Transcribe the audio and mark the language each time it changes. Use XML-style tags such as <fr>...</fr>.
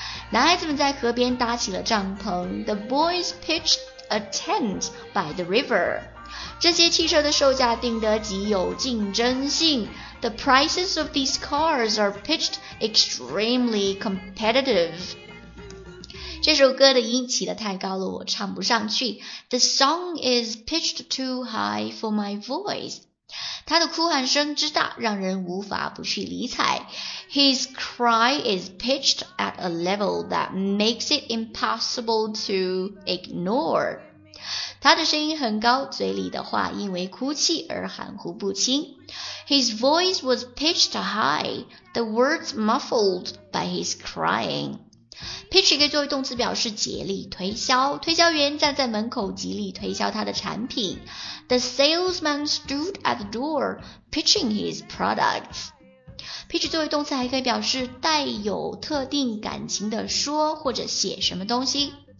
<zh>男孩子们在河边搭起了帐篷，</zh> <en>The boys pitched a tent by the river.</en> <zh>这些汽车的售价定得极有竞争性，</zh> <en>The prices of these cars are pitched extremely competitive.</en> <zh>这首歌的音起得太高了，我唱不上去。</zh> <en>The song is pitched too high for my voice.</en> <zh>他的哭喊声之大，让人无法不去理睬。</zh> <en>His cry is pitched at a level that makes it impossible to ignore.</en> <zh>他的声音很高，嘴里的话因为哭泣而含糊不清。</zh> <en>His voice was pitched high, the words muffled by his crying.</en> <zh>Pitch 可以作为动词表示竭力推销，推销员站在门口极力推销他的产品。</zh> <en>The salesman stood at the door pitching his products.</en> <zh>Pitch 作为动词还可以表示带有特定感情的说或者写什么东西。</zh>